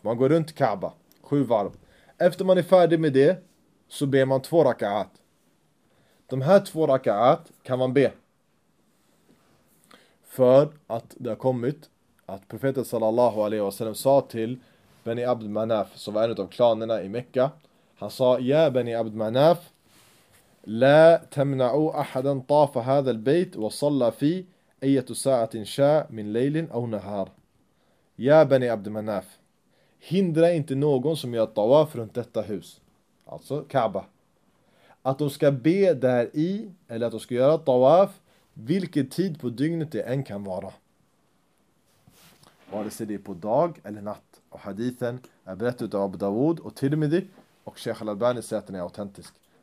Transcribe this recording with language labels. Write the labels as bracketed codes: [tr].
[sv] Man går runt Kaaba, 7 varv. Efter man är färdig med det så ber man 2 rakaat. De här 2 rakaat kan man be. För att det har kommit att profeten sallallahu alaihi wasallam sa till Bani Abd Manaf som var en av klanerna i Mekka. Han sa, ja Bani Abd Manaf. [ar] لا تمنعوا احدا طاف هذا البيت وصلى في اي ساعه شاء من ليل او نهار يا بني عبد مناف. [sv] Hindra inte någon som gör tawaf runt detta hus, alltså Kaaba, att de ska be där i eller att de ska göra tawaf vilken tid på dygnet det än kan vara, vare sig det är på dag eller natt. Och hadithen är berättad av Abu Dawud och Tirmidhi, och Sheikh al-Albani säger att den är autentisk.